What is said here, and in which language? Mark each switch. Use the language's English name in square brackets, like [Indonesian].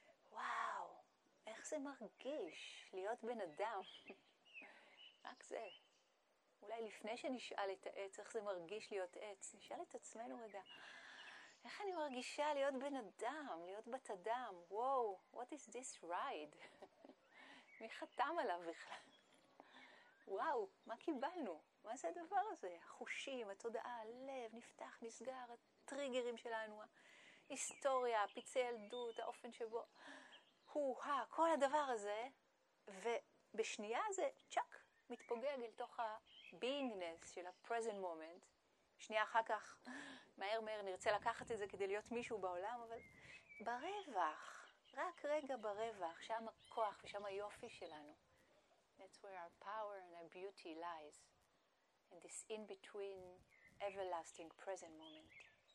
[Hebrew] וואו, איך זה מרגיש להיות בן אדם? רק זה. אולי לפני שנשאל את העץ, איך זה מרגיש להיות עץ, נשאל את עצמנו רגע, איך אני מרגישה להיות בן אדם, להיות בת אדם? [English] וואו, what is this ride? [Hebrew] מי חתם עליו בכלל? וואו, מה קיבלנו? מה זה הדבר הזה? החושים, התודעה, הלב, נפתח, נסגר, הטריגרים שלנו, ההיסטוריה, פיצי ילדות, האופן שבו, כל הדבר הזה, ובשנייה זה צ'ק, מתפוגג אל תוך ה-beingness של ה- [English] present moment. [Hebrew] שנייה אחר כך, מהר מהר נרצה לקחת את זה כדי להיות מישהו בעולם, אבל ברווח, רק רגע ברווח, שם הכוח ושם היופי שלנו. [English] That's where our power and our beauty lies, in this in-between everlasting present moment.